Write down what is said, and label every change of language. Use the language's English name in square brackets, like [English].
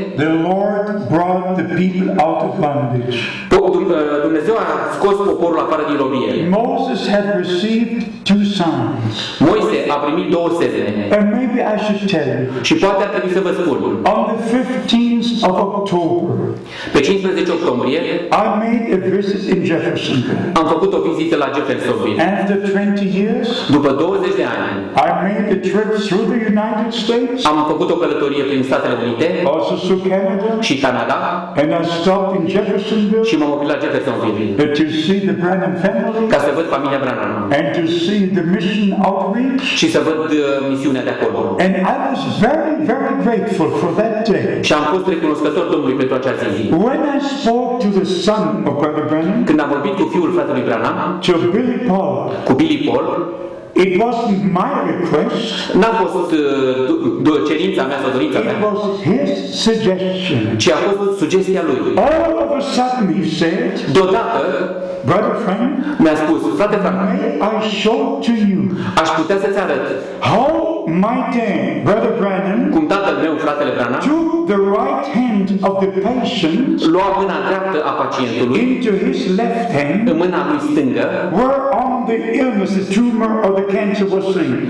[English] the Lord brought the people out of bondage. [Romanian] Dumnezeu a scos poporul afară din robie. [English] Moses had received two signs. [Romanian] Moise a primit două semne. [English] And maybe I should tell you. [Romanian] Și poate ar trebui să vă spun. [English] On the 15th of October. [Romanian] Pe 15 octombrie. [English] I made a visit in Jeffersonville. [Romanian] Am făcut o vizită la Jeffersonville. [English] After 20 years. [Romanian] După 20 de ani. [English] I made a trip through the United States. [Romanian] Am făcut o călătorie prin Statele Unite. [English] Also through Canada. [Romanian] Și Canada. [English] And I stopped in Jeffersonville. [Romanian] Și m-am oprit la Jeffersonville. [English] But to see the Branham family. [Romanian] Ca să văd familia Branham. [English] And to see the mission outreach. [Romanian] Și să văd misiunea de acolo. [English] And I was very, very grateful for that day. [Romanian] Și am fost recunoscător Domnului pentru acea zi. [English] When I spoke to the son of Brother Branham. [Romanian] Când am vorbit cu fiul fratelui Branham. [English] To Billy Paul. [Romanian] Cu Billy Paul. [English] It wasn't my request. [Romanian] N-a fost cerința mea sau dorința mea. [English] It was his suggestion. [Romanian] Ci a fost sugestia lui. [English] All of a sudden he said. [Romanian] Deodată. [English] Brother friend, [Romanian] mi-a spus, frate Frank, [English] may I show to you? [Romanian] Aș putea să-ți arăt. [English] How mighty, Brother Branham, [Romanian] cum tatăl meu, fratele Branham, [English] took the right hand of the patient, [Romanian] lua mâna dreaptă a pacientului, [English] into his left hand, [Romanian] în mâna lui stângă, [English] where on the illness, the tumor or the cancer was seen.